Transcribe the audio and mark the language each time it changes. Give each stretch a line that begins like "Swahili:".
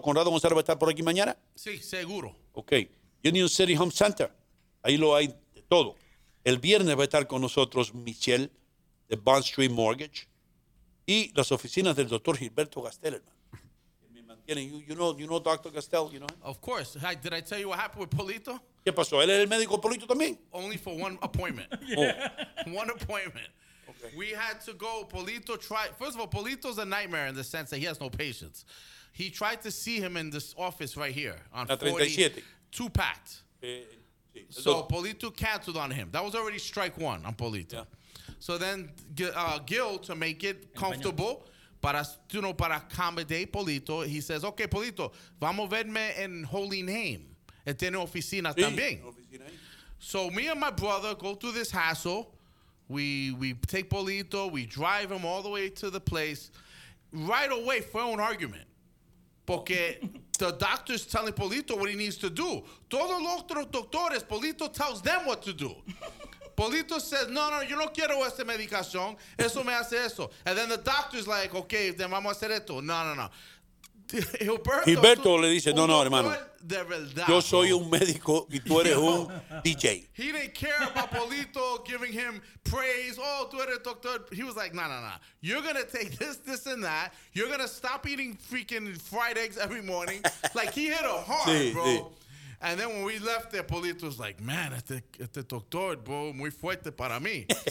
Spanish: ¿Conrado González va a estar por aquí mañana? Sí, seguro. Ok. Union City Home Center. Ahí lo hay de todo. El viernes va a estar con nosotros Michelle de Bond Street Mortgage y las oficinas del doctor Gilberto Gastel, hermano. Me mantienen.
English: You know Dr. Gastel, you know? Of course. Did I tell you what happened with Polito?
Spanish: ¿Qué pasó? ¿Él era el médico Polito también?
English: Only for one appointment. Oh. One appointment. Okay. We had to go. Polito tried. First of all, Polito's a nightmare in the sense that he has no patience. He tried to see him in this office right here on 37. 2 Pat. So Polito canceled on him. That was already strike one on Polito. Yeah. So then Gil, to make it comfortable, para accommodate Polito, he says, okay, Polito,
Spanish: vamos a verme en Holy Name. Él tiene oficina también.
English: So me and my brother go through this hassle. We take Polito. We drive him all the way to the place. Right away,
Spanish: fue un
English: argument. Porque the doctor's telling Polito what he needs to do. Todos los otros doctores, Polito tells them what to do. Polito says,
Spanish: no, yo no quiero esta medicación. Eso me hace eso.
English: And then the doctor's like, okay, then
Spanish: vamos a hacer esto. No. Gilberto le dice, no, hermano, yo soy un médico y tú eres un DJ.
English: He didn't care about Polito giving him praise.
Spanish: Oh, tú eres doctor.
English: He was like, no. You're going to take this, and that. You're going to stop eating freaking fried eggs every morning. Like, he hit a heart,
Spanish: sí,
English: bro.
Spanish: Sí.
English: And then when we left there, Polito was like, man,
Spanish: este doctor, bro, muy fuerte para mí.